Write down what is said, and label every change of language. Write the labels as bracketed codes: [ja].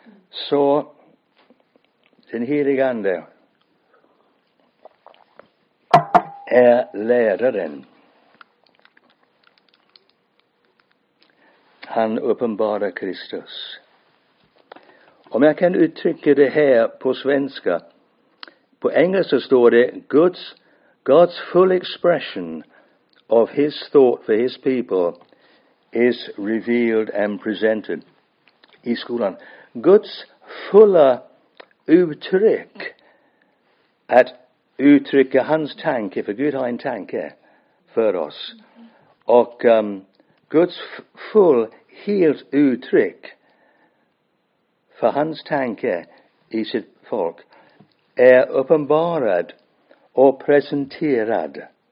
[sv] Så den helige ande är läraren. Han uppenbarar Kristus. Om jag kan uttrycka det här på svenska. På engelska står det [en] God's full expression of his thought for his people is revealed and presented [sv] i skolan. Guds fulla uttryck, att uttrycka hans tanke, för Gud har en tanke för oss. Och Guds full helt uttryck för hans tanke i sitt folk är uppenbarad och presenterad.